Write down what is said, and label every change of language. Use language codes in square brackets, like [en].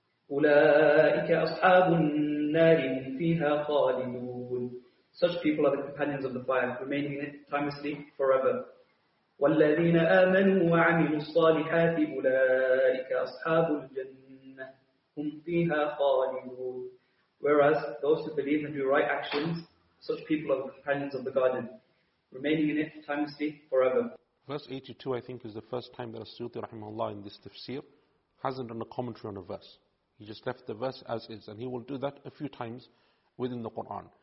[ar] أولئك أصحاب النار فيها خالدون. [en] Such people are the companions of the fire, remaining in it timelessly, forever. [ar] والذين آمنوا وعملوا الصالحات أولئك أصحاب الجنة هم فيها خالدون. [en] Whereas those who believe and do right actions, such people are the companions of the garden, remaining in it timelessly, forever. Verse 82, I think, is the first time that As-Suyuti rahimahullah in this tafsir hasn't done a commentary on a verse. He just left the verse as is, and he will do that a few times within the Quran.